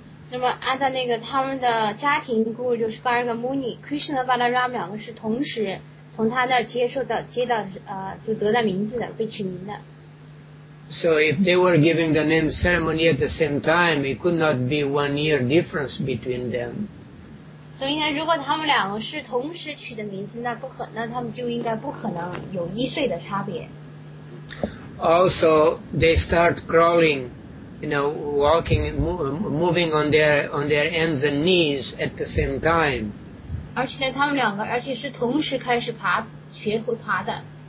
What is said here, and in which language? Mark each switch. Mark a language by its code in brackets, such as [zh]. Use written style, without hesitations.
[zh] 那么按照那个他们的家庭故事，就是 Garga Muni Krishna 和 Balarama 两个是同时从他那接受的接到就得到名字的被取名的。 [en] So if they were giving the name ceremony at the same time, it could not be 1 year difference between them. [zh] 所以呢，如果他们两个是同时取的名字，那他们就应该不可能有一岁的差别。 [en] Also, they start crawling. You know, walking, moving on their ends and knees at the same time. [zh] 而且呢，他们两个，而且是同时开始爬，学会爬的。